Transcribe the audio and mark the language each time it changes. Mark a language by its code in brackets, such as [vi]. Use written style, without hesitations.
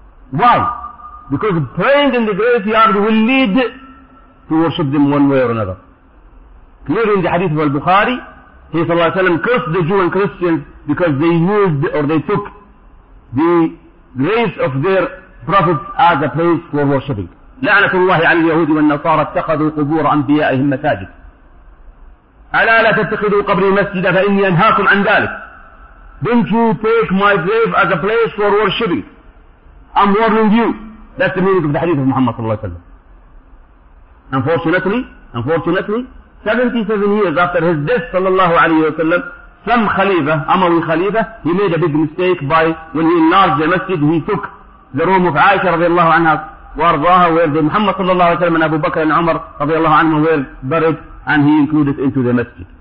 [en] Why? Because praying in the graveyard will lead to worship them one way or another. Clearly in the hadith of Al-Bukhari, he sallallahu alayhi wa sallam cursed the Jew and Christians because they used or they took the graves of their prophets as a place for worshipping. [ar] لَعْنَةُ اللَّهِ عَلَى الْيَهُودِ وَالنَّصَارَ اتَّخَذُوا قُبُورَ أَنْبِيَائِهِمْ مَسَاجِدْ ألا لا تتخذوا قبري مسجدا فإني أنهاكم عن ذلك. [en] Don't you take my grave as a place for worshipping. I'm warning you. That's the meaning of the hadith of Muhammad sallallahu alayhi wa sallam. Unfortunately, 77 years after his death sallallahu alayhi wa sallam, some khalifa, Amawi khalifa, he made a big mistake by, when he enlarged the masjid, he took the room of Aisha radiallahu anha warzaha, where the Muhammad sallallahu alayhi wa sallam and Abu Bakr and Umar radiallahu anhu were buried, and he included into the masjid.